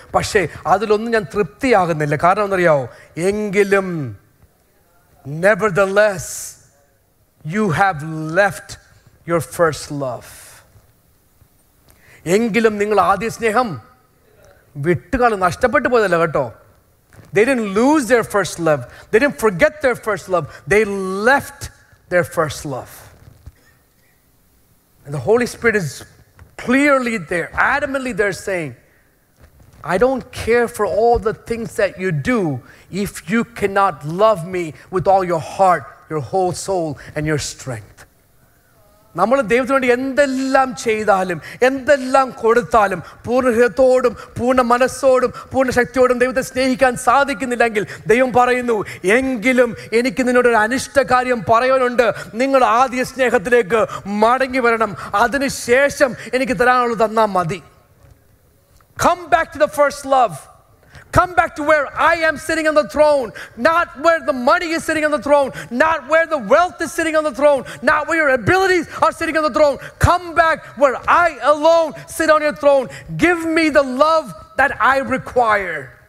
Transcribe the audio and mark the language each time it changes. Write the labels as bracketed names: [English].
[Malayalam] പക്ഷേ അതിലൊന്നും ഞാൻ തൃപ്തിയാകുന്നില്ല. കാരണം എന്തറിയാവോ? എങ്കിലും [English] nevertheless you have left your first love. [Malayalam] എങ്കിലും നിങ്ങൾ ആദ്യ സ്നേഹം വിട്ടുകള നഷ്ടപ്പെട്ടു പോയതല്ല കേട്ടോ. [English] They didn't lose their first love. They didn't forget their first love. They left their first love. And the Holy Spirit is clearly there, adamantly there saying, I don't care for all the things that you do if you cannot love me with all your heart, your whole soul, and your strength. [Malayalam] നമ്മള് ദൈവത്തിന് വേണ്ടി എന്തെല്ലാം ചെയ്താലും എന്തെല്ലാം കൊടുത്താലും പൂർണ്ണ ഹൃദയത്തോടും പൂർണ്ണ മനസ്സോടും പൂർണ്ണ ശക്തിയോടും ദൈവത്തെ സ്നേഹിക്കാൻ സാധിക്കുന്നില്ലെങ്കിൽ ദൈവം പറയുന്നു, എങ്കിലും എനിക്ക് നിന്നോട് ഒരു അനിഷ്ട കാര്യം പറയാനുണ്ട്. നിങ്ങൾ ആദ്യ സ്നേഹത്തിലേക്ക് മടങ്ങി വരണം. അതിനുശേഷം എനിക്ക് തരാനുള്ളത് തന്നാൽ മതി. [English] Come back to the first love. Come back to where I am sitting on the throne, not where the money is sitting on the throne, not where the wealth is sitting on the throne, not where your abilities are sitting on the throne. Come back where I alone sit on your throne. Give me the love that I require.